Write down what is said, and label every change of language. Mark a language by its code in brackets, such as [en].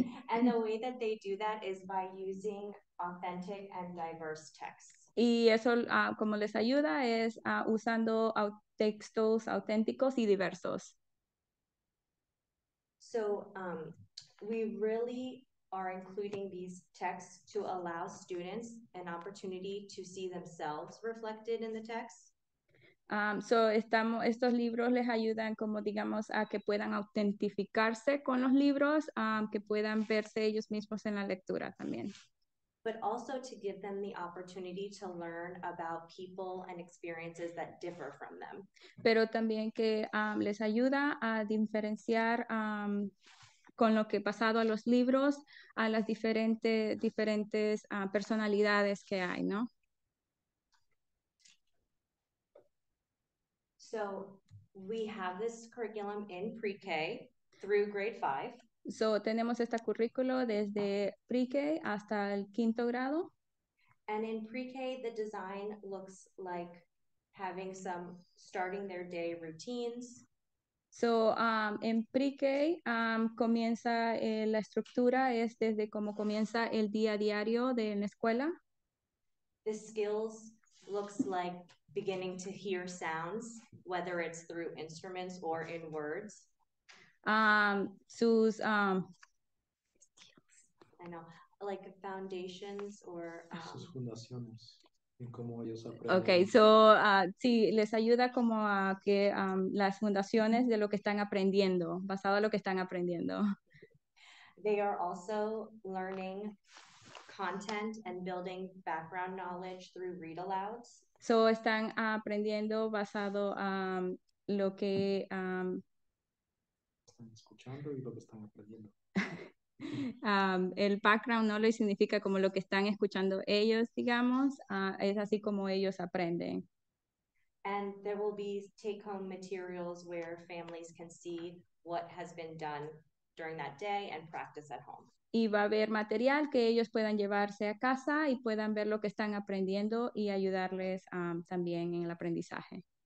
[en] And the way that they do that is by using authentic and diverse texts. [es] Y eso, como les ayuda, es usando textos auténticos y diversos. [en] So, we really are including these texts to allow students an opportunity to see themselves reflected in the text. [es] So, estamos, estos libros les ayudan, como digamos, a que puedan autentificarse con los libros, que puedan verse ellos mismos en la lectura también. [en] But also to give them the opportunity to learn about people and experiences that differ from them. [es] Pero también que les ayuda a diferenciar con lo que ha pasado a los libros, a las diferentes personalidades que hay, ¿no? [en] So we have this curriculum in pre-K through grade 5. [es] So tenemos este currículo desde pre-K hasta el quinto grado. [en] And in pre-K, the design looks like having some starting their day routines. [es] So en pre-K comienza la estructura es desde cómo comienza el día diario de la escuela. [en] The skills looks like beginning to hear sounds, whether it's through instruments or in words. [es] Sus, [en] I know, like foundations or... [es] sus fundaciones, en cómo ellos aprenden. Okay, so, sí, les ayuda como a que las fundaciones de lo que están aprendiendo, basado en lo que están aprendiendo. [en] They are also learning content and building background knowledge through read-alouds. [es] So están aprendiendo basado lo que están escuchando y lo que están aprendiendo. El background knowledge significa como lo que están escuchando ellos, digamos, es así como ellos aprenden. [en] And there will be take-home materials where families can see what has been done during that day and practice at home. [es] Y va a haber material que ellos puedan llevarse a casa y puedan ver lo que están aprendiendo y ayudarles también en el aprendizaje.